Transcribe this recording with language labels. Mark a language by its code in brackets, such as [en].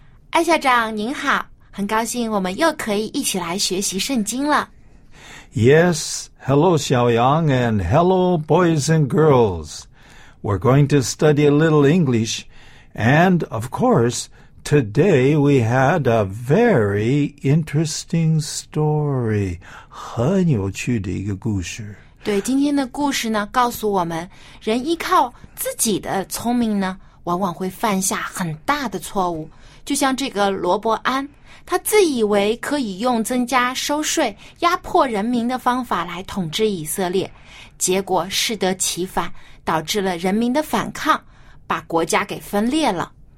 [zh] 艾校长您好，很高兴我们又可以一起来学习圣经了。 [en] Yes, hello, 小杨 and hello, boys and girls. We're going to study a little English, and of course, today we had a very interesting story. [zh] 很有趣的一个故事。对，今天的故事呢，告诉我们，人依靠自己的聪明呢，往往会犯下很大的错误。就像这个罗伯安，他自以为可以用增加收税、压迫人民的方法来统治以色列，结果适得其反，导致了人民的反抗，把国家给分裂了。